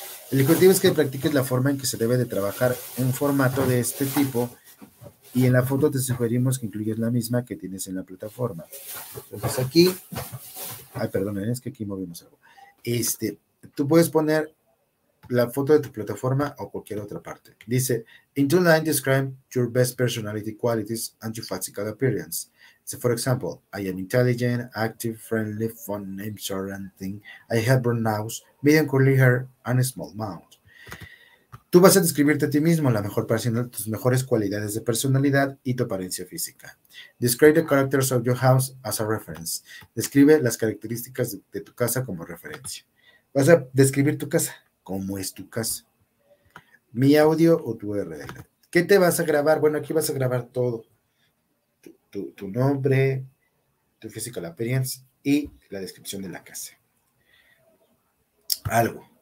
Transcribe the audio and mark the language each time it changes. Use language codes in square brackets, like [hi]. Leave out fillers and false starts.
[es] El objetivo es que practiques la forma en que se debe de trabajar un formato de este tipo y en la foto te sugerimos que incluyas la misma que tienes en la plataforma. Entonces aquí, es que aquí movimos algo. Tú puedes poner la foto de tu plataforma o cualquier otra parte. Dice, [en] in two lines describe your best personality qualities and your physical appearance. So for example, I am intelligent, active, friendly, fun, name, short, and thing. I have brown eyes, medium curly hair, and a small mouth. [es] Tú vas a describirte a ti mismo, la mejor personal, tus mejores cualidades de personalidad y tu apariencia física. [en] Describe the characters of your house as a reference. [es] Describe las características de tu casa como referencia. Vas a describir tu casa. ¿Cómo es tu casa? ¿Mi audio o tu URL? ¿Qué te vas a grabar? Bueno, aquí vas a grabar todo. Tu nombre, tu [en] physical appearance [es] y la descripción de la casa. Algo.